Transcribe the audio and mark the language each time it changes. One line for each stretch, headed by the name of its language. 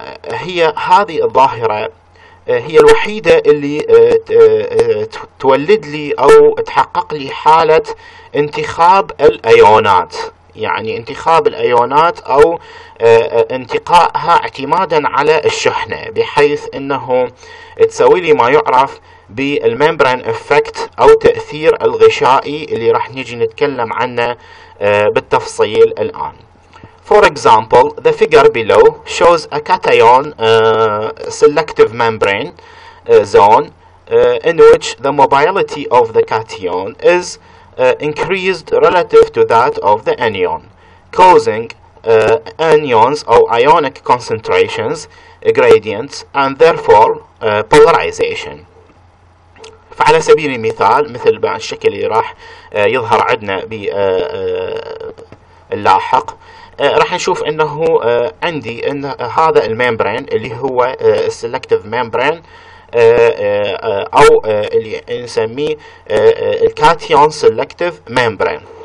Arabic: هي هذه الظاهرة هي الوحيدة اللي تولد لي أو تحقق لي حالة انتخاب الأيونات، يعني انتخاب الأيونات أو انتقائها اعتمادا على الشحنة، بحيث أنه تسوي لي ما يعرف بالممبران افكت أو تأثير الغشائي اللي راح نيجي نتكلم عنه بالتفصيل الآن.
English: For example, the figure below shows a cation selective membrane zone in which the mobility of the cation is increased relative to that of the anion, causing anions or ionic concentrations gradients and therefore polarization.
Arabic: فعلى سبيل المثال مثل بعض الشكل اللي راح يظهر عندنا باللاحق راح نشوف انه عندي ان هذا الممبرين اللي هو السلكتيف ممبرين او اللي نسميه الكاتيون سلكتيف ممبرين.